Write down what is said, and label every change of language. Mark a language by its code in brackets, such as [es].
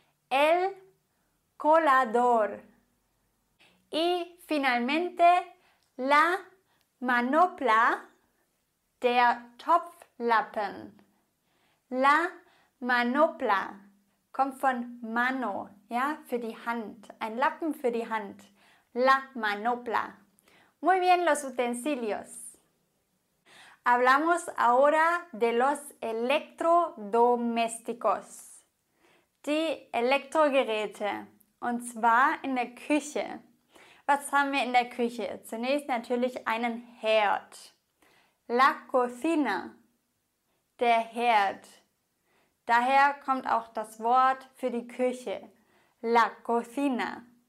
[es] El colador. Y finalmente, la manopla, der Topflappen. La manopla. [de] Kommt von mano, ja, für die Hand. Ein Lappen für die Hand. La manopla. [es] Muy bien, los utensilios. Hablamos ahora de los electrodomésticos. [de] Die Elektrogeräte. Und zwar in der Küche. Was haben wir in der Küche? Zunächst natürlich einen Herd. La cocina. Der Herd. Daher kommt auch das Wort für die Küche. [es] La cocina.